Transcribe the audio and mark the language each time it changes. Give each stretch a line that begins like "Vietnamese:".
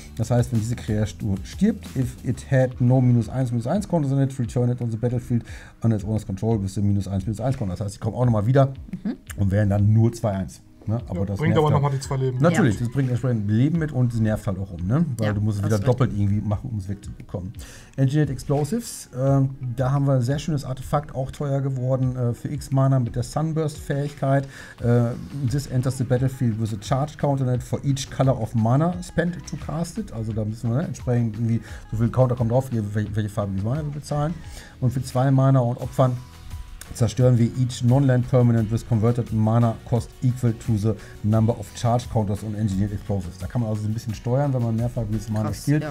German: Das heißt, wenn diese Kreatur stirbt,
English: if it had no -1/-1 counters in it, return it on the Battlefield under its owner's control,
German: bis zu -1/-1 counters. Das heißt, sie kommen auch nochmal wieder und wären dann nur 2-1. Ne? Aber ja, das bringt aber nochmal die 2 Leben. Natürlich, das bringt entsprechend Leben mit und nervt halt auch um, ne? Weil du musst es wieder doppelt irgendwie machen, um es wegzubekommen. Engineered Explosives, da haben wir ein sehr schönes Artefakt, auch teuer geworden, für X Mana mit der Sunburst-Fähigkeit.
English: This enters the battlefield with a charge counter net for each color of mana spent to cast it.
German: Also da müssen wir, ne, entsprechend irgendwie, so viel Counter kommt drauf, welche Farbe die Mana wir bezahlen. Und für 2 Mana und Opfern zerstören wir
English: each non-land permanent with converted mana cost equal to the number of charge counters und engineered explosives.
German: Da kann man also so ein bisschen steuern, wenn man mehrfach dieses Mana spielt.